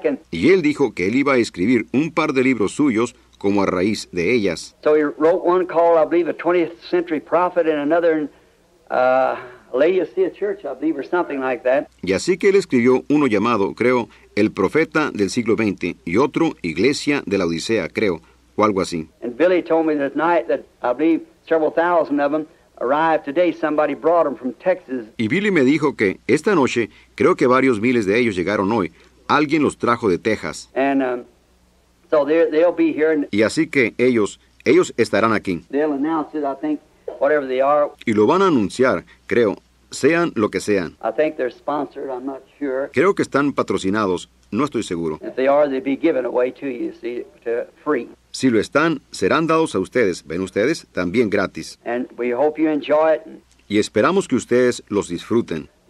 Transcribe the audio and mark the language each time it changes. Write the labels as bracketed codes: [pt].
[es] Y él dijo que él iba a escribir un par de libros suyos como a raíz de ellas. [en] So he wrote one called, I believe, a 20th century prophet and another Laodicea church, I believe, or something like that. [es] Y así que él escribió uno llamado, creo, el profeta del siglo XX y otro Iglesia de la Odisea, creo, o algo así. [en] And Billy told me that night that I believe several thousand of them arrived today. Somebody brought them from Texas. [es] Y Billy me dijo que esta noche creo que varios miles de ellos llegaron hoy. Alguien los trajo de Texas. [en] And so they'll be here. [es] Y así que ellos estarán aquí. [en] They'll announce it, I think, whatever they are. [es] Y lo van a anunciar, creo, sean lo que sean. [en] I think they're sponsored. I'm not sure. [es] Creo que están patrocinados. No estoy seguro. [en] If they are, they'll be given away to you, see, to free. [es] Si lo están, serán dados a ustedes, ven ustedes, también gratis. [en] And we hope you enjoy it. [es] Y esperamos que ustedes los disfruten.